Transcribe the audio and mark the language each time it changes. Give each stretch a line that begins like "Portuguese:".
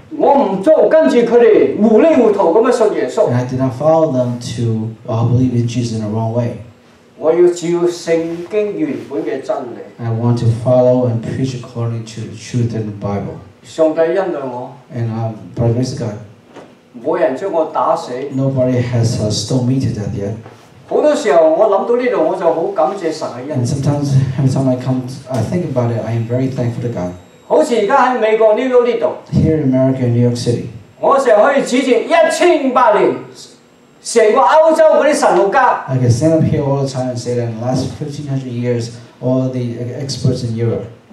Chinese: 我不跟著他們糊裡糊塗地信耶穌。
English: And I did not follow them to believe in Jesus in the wrong way.
Chinese: 我要照聖經原本的真理。
English: I want to follow and preach according to the truth in the Bible.
Chinese: 上帝恩待我。
English: And by the grace of God,
Chinese: 沒人將我打死。
English: Nobody has stoned me to death yet.
Chinese: 很多時候我想到這裡我就很感謝神的恩典。
English: And sometimes, every time I come, I think about it, I am very thankful to God.
Chinese: 好像現在在美國, New York, 這裡。
English: Here in America, New York City.
Chinese: 我經常可以指著1500年。整個歐洲的神學家,
English: I can stand up here all the time and say that in the last 1500 years, all the experts in Europe,